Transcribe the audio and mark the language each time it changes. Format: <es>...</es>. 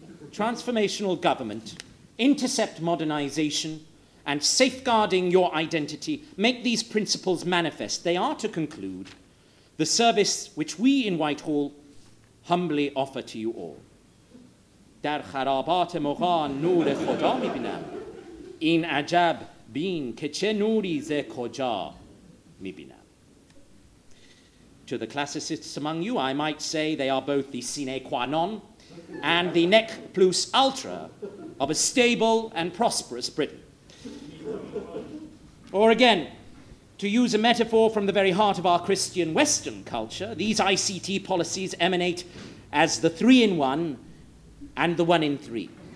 <en>Transformational government, intercept modernization, and safeguarding your identity, make these principles manifest. They are, to conclude, the service which we in Whitehall humbly offer to you all.</en> <fa>در خرابات مغان نور خدا میبینم. این عجب بین که چه نوری ز کجا میبینم.</fa> <en>To the classicists among you, I might say they are both the sine qua non and the nec plus ultra of a stable and prosperous Britain. Or again, to use a metaphor from the very heart of our Christian Western culture, these ICT policies emanate as the three in one and the one in three.</en>